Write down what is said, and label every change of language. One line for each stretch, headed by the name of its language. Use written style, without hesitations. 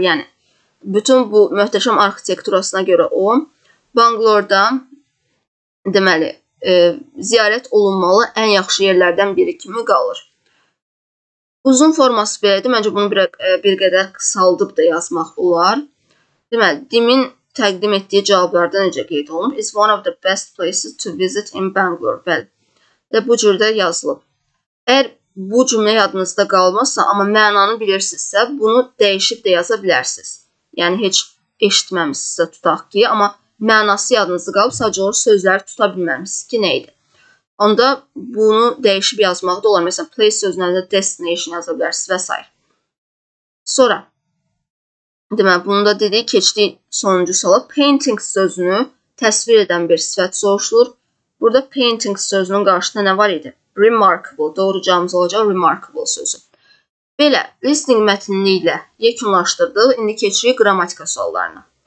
Azerbaijani: Yəni, bütün bu möhtəşəm arxitekturasına görə o, Bangalore-da, deməli, ziyarət olunmalı ən yaxşı yerlərdən biri kimi qalır. Uzun forması belədir. Məncə bunu bir qədər qısaldıb da yazmaq olar. Deməli, demin təqdim etdiyi cavablardan necə qeyd olunub?
English: It's one of the best places to visit in Bangalore.
Azerbaijani: Bəli. Və bu cürdə yazılıb. Əgər bu cümlə yadınızda qalmazsa, amma mənanı bilirsinizsə, bunu dəyişib də yaza bilərsiniz. Yəni, heç eşitməmişsinizsə tutaq ki, amma mənası yadınızda qalıb, sadəcə olaraq sözləri tuta bilməmişsiniz ki, nə idi. Onda bunu dəyişib yazmaq da olar. Məsələn, place sözlərində destination yaza bilərsiniz və s. Sonra, deməli, bunu da dedik, keçdik sonuncu sualı. Painting sözünü təsvir edən bir sifət soruşulur. Burada painting sözünün qarşısında nə var idi? Remarkable, doğru cavabımız olacaq, remarkable sözü. Belə, listening mətnini ilə yekunlaşdırdıq. İndi keçirik qrammatika suallarına.